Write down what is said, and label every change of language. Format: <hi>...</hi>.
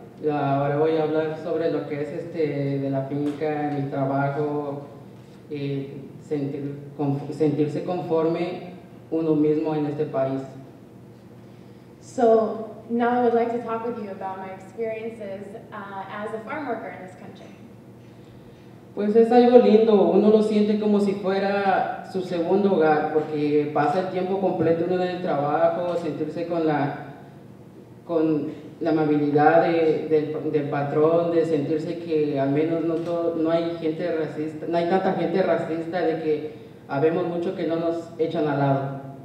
<es>Ahora voy a hablar sobre lo que es este de la finca, mi trabajo, sentirse conforme uno mismo en este país.</es> <en>So now I would like to talk with you about my experiences as a farm worker in this country.</en> <es>Pues es algo lindo, uno lo siente como si fuera su segundo hogar, porque pasa el tiempo completo uno en el trabajo, sentirse con la amabilidad del patrón, de sentirse que al menos no hay gente racista, no hay tanta gente racista, de que habemos mucho que no nos echan al lado.</es>